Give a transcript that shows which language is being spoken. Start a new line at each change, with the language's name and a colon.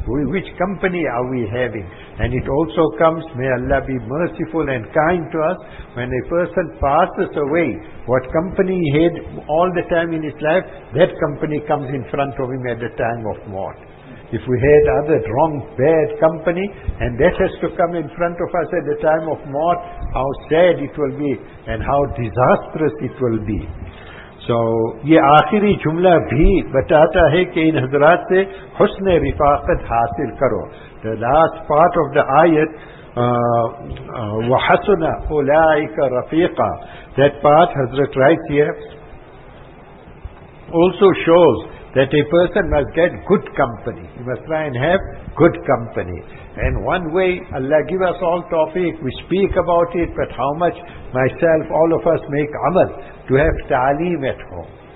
English: Which company are we having? And it also comes, may Allah be merciful and kind to us, when a person passes away, what company he had all the time in his life, that company comes in front of him at the time of mort. If we had other wrong, bad company, and that has to come in front of us at the time of mort, how sad it will be, and how disastrous it will be.
Urdu: So, یہ آخری جملہ بھی بتاتا ہے کہ ان حضرات سے حسن رفاقت حاصل کرو.
English: The last part of the ayat,
Arabic: وَحَسُنَ أُولَٰئِكَ رَفِيقًا,
English: that part Hazrat writes here, also shows that a person must get good company. He must try and have good company. And one way, Allah give us all tawfiq, we speak about it, but how much myself, all of us make amal to have ta'aleem at home.